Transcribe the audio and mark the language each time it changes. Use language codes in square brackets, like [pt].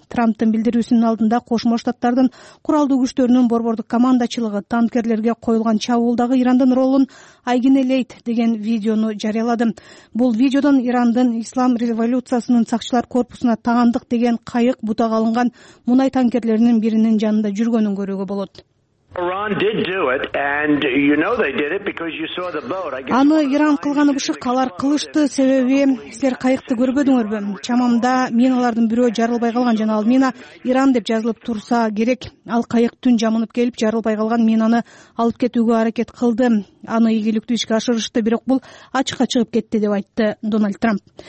[ky] Трамптын билдирүүсүнүн алдында Кошмо Штаттардын куралдуу күчтөрүнүн борбордук командачылыгы танкерлерге коюлган чабуулдагы Ирандын ролун айгинелейт деген видеону жарыялады. Бул видеодон Ирандын Ислам революциясынын сакчылар корпусуна таандык деген кайык бутага алынган мунай танкерлеринин биринин жанында жүргөнүн көрүүгө болот. [en] Iran did do it, and you know they did it because you saw the boat. [ky] Аны Иран кылганы бышык, алар кылышты, себеби силер кайыкты көрбөдүңөрбү? Чамамда мен алардын бирөө жарылбай калган жана ал мина Иран деп жазылып турса керек. Ал кайык түн жамынып келип жарылбай калган минаны алып кетүүгө аракет кылды. Аны ийгиликтүү ишке ашырышты, бирок бул ачыкка чыгып кетти деп айтты Дональд Трамп.